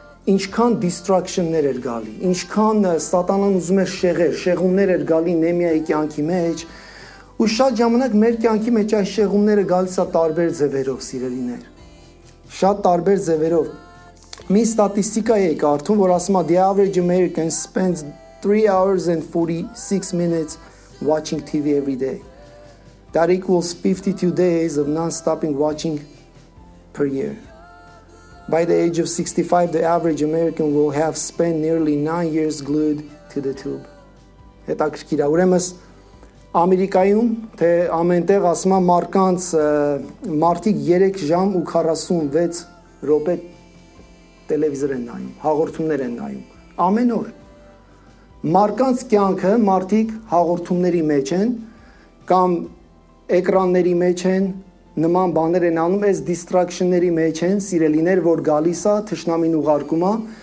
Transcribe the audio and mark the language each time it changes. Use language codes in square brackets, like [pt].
[hy] ինչքան distraction-ներ էր գալի, ինչքան Սատանան ուզում էր շեղեր, շեղումներ էր գալի Նեմիայի կյանքի մեջ, ու շատ ժամանակ մեր կյանքի մեջ այս շեղումները գալիս է տարբեր ձևերով, սիրելիներ, շատ տարբեր ձևերով։ Մի ստատիստիկա էի կարդում, որ ասում է, [en] the average American spends 3 hours and 46 minutes watching TV every day. That equals 52 days of non-stopping watching per year. By the age of 65, the average American will have spent nearly 9 years glued to the tube. [hy] Հետաքրքիր է, ուրեմն Ամերիկայում, թե ամենտեղ, ասում է, մարդկանց, մարդիկ 3 ժամ ու 46 րոպե տելևիզոր են նայում, հաղորդումներ են նայում ամեն օր։ Մարդկանց կյանքը, մարդիկ հաղորդումների մեջ են կամ էկրանների մեջ են, նման բաներ են անում, այս distraction-ների մեջ են, սիրելիներ, որ գալիս է, թշնամին ուղարկում է։